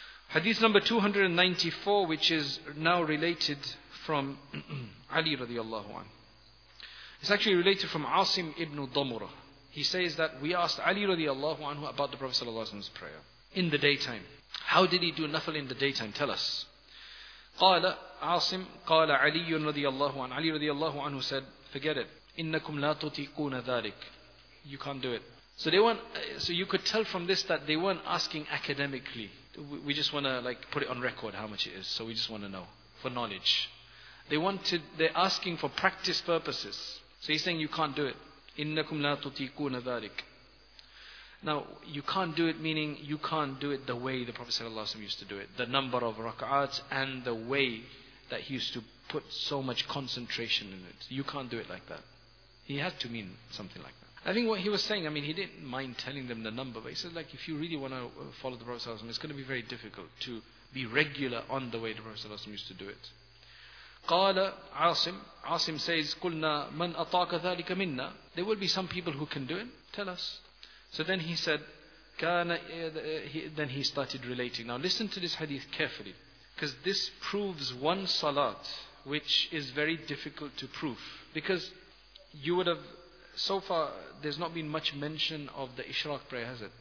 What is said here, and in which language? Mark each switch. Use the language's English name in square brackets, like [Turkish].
[English] Hadith number 294, which is now related from Ali radiallahu anhu. It's actually related from Asim ibn Damura. He says that we asked Ali radiallahu anhu about the Prophet sallallahu alaihi wasallam's prayer in the daytime. How did he do nafil in the daytime? Tell us. [Arabic] قال عاصم قال علي رضي الله عنه. [English] Ali radiallahu anhu said, forget it. [Arabic] إنكم لا تطيقون ذلك. [English] You can't do it. So they weren't. So you could tell from this that they weren't asking academically. We just want to like put it on record how much it is. So we just want to know for knowledge. They're asking for practice purposes. So he's saying you can't do it. [Arabic] إنكم لا تطيقون ذلك. [English] Now, you can't do it meaning you can't do it the way the Prophet ﷺ used to do it. The number of raka'ats and the way that he used to put so much concentration in it. You can't do it like that. He had to mean something like that. I think what he was saying, I mean, he didn't mind telling them the number, but he said, like, if you really want to follow the Prophet ﷺ, it's going to be very difficult to be regular on the way the Prophet ﷺ used to do it. [Arabic] Qala Asim. [English] Asim says, [Arabic] قُلْنَا مَنْ أَطَاكَ ذَلِكَ مِنَّا. [English] There will be some people who can do it. Tell us. So then he said, then he started relating. Now listen to this hadith carefully, because this proves one salat, which is very difficult to prove. Because you would have, so far, there's not been much mention of the Ishraq prayer, has it?